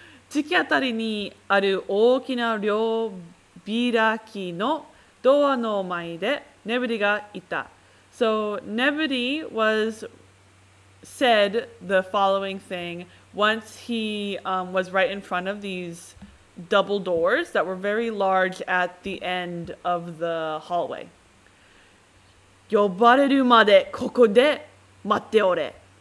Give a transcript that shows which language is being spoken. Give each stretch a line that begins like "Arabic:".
Japanese: 突き当たりにある大きな両開きのドアの前でネブリがいた。
English: So Nebri said the following thing once he was right in front of these double doors that were very large at the end of the hallway.
Japanese: 呼ばれるまでここで待っておれ。